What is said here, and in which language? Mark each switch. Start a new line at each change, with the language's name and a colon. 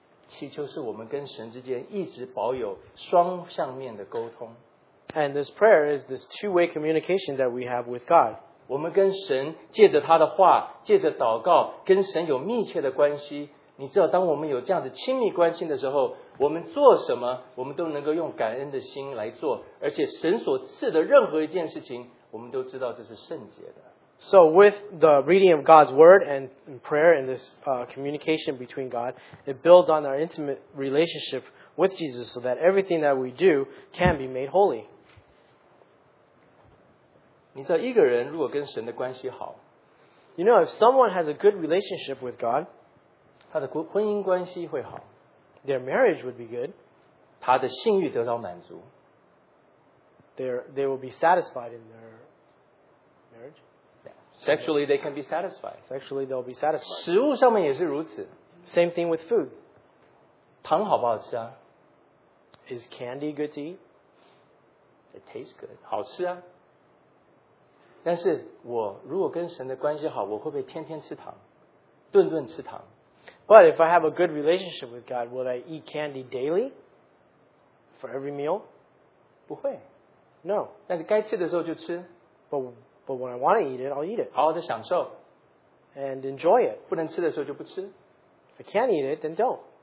Chinese: 祈求是我们跟神之间一直保有双向面的沟通。
English: And this prayer is this two-way communication that we have with God.
Chinese: 我们跟神借着他的话,借着祷告,跟神有密切的关系。你知道当我们有这样子亲密关系的时候,我们做什么,我们都能够用感恩的心来做,而且神所赐的任何一件事情,我们都知道这是圣洁的。
English: So with the reading of God's word and prayer and this communication between God, it builds on our intimate relationship with Jesus so that everything that we do can be made holy.
Chinese: 你知道一个人如果跟神的关系好,
English: You know, if someone has a good relationship with God,
Chinese: 他的婚姻关系会好,
English: their marriage would be good.
Chinese: 他的性欲得到满足,
English: they will be satisfied in their marriage. Sexually, they can be satisfied. Sexually, they'll be satisfied.
Chinese: 食物上面也是如此,
English: same thing with food.
Chinese: 糖好不好吃啊?
English: Is candy good to eat? It tastes good.
Chinese: 好吃啊。但是我如果跟神的关系好，我会不会天天吃糖，顿顿吃糖？
English: But if I have a good relationship with God, will I eat candy daily for every meal?
Chinese: 不会。
English: No.
Chinese: 但是该吃的时候就吃。
English: But when I want to eat it, I'll eat it.
Chinese: 好好的享受。
English: And enjoy it.
Chinese: 不能吃的时候就不吃。
English: If I can't eat it, then don't.